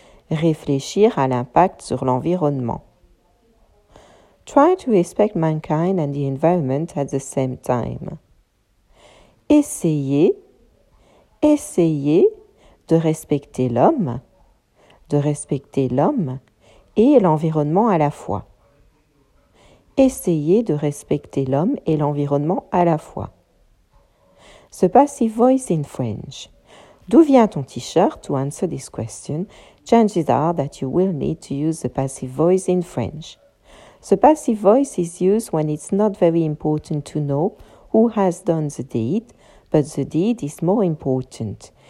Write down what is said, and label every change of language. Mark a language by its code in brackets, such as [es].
[en] Try to respect mankind and the environment at the same time. [fr] Essayez de respecter l'homme et l'environnement à la fois. Essayez de respecter l'homme et l'environnement à la fois. [en] the passive voice in French. [fr] D'où vient ton t-shirt? [en] To answer this question, chances are that you will need to use the passive voice in French. The passive voice is used when it's not very important to know who has done the deed, but the deed is more important.